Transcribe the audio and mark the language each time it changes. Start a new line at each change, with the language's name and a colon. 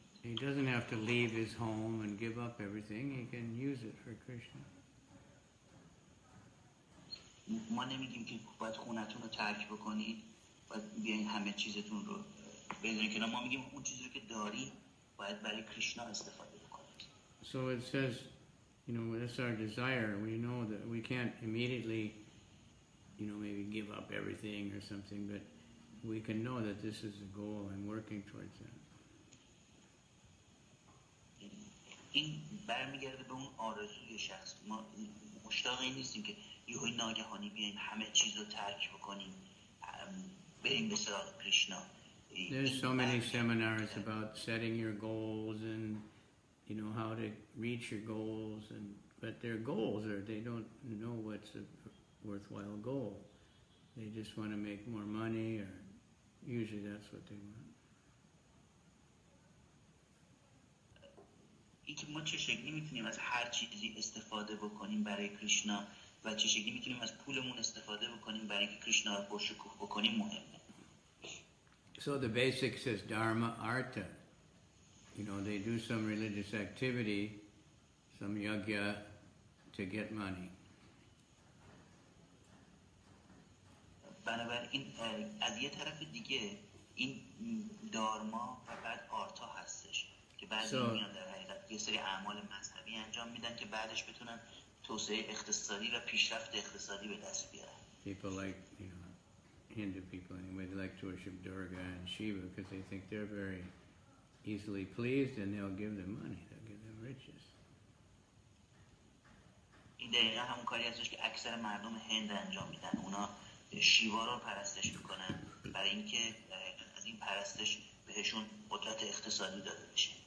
English: He doesn't have to leave his home and give up everything. He can use it for Krishna.
Persian: ما نمیگیم که باید خونتون رو ترک بکنید، باید بیاین همه چیزتون رو بذارین کنار. ما میگیم اون چیزی که داری باید برای کریشنا استفاده بکنید.
English: So it says, you know, that's our desire. We know that we can't immediately, you know, maybe give up everything or something, but we can know that this is a goal and working towards that.
Persian: این برمیگرده به اون آرزوی شخص. ما مشتاق این نیستیم که یهو ناگهانی بیایم همه چیز رو ترک بکنیم بریم به سراغ کریشنا.
English: There's so many seminars about setting your goals and you know how to reach your goals and but their goals are they don't know what's a worthwhile goal. They just want to make more money or usually that's what they want.
Persian: اینکه ما چه شکلی میتونیم از هر چیزی استفاده بکنیم برای کریشنا و چه شکلی میتونیم از پولمون استفاده بکنیم برای اینکه کریشنا رو پرشکوه بکنیم مهمه.
English: So the basics is dharma artha. You know, they do some religious activity, some yajna to get money.
Persian: بنابراین از یه طرف دیگه این دارما و بعد آرتا هستش که بعضی میان در حقیقت یه سری اعمال مذهبی انجام میدن که بعدش بتونن توسعه اقتصادی و پیشرفت اقتصادی به دست بیارن.
English: People like, you know, Hindu people anyway, they like to worship Durga and Shiva because they think they're very easily pleased and they'll give them money, they'll give them riches.
Persian: این دقیقا همون کاری هستش که اکثر مردم هند انجام میدن. اونا شیوا رو پرستش میکنن برای اینکه از این پرستش بهشون قدرت اقتصادی داده بشه.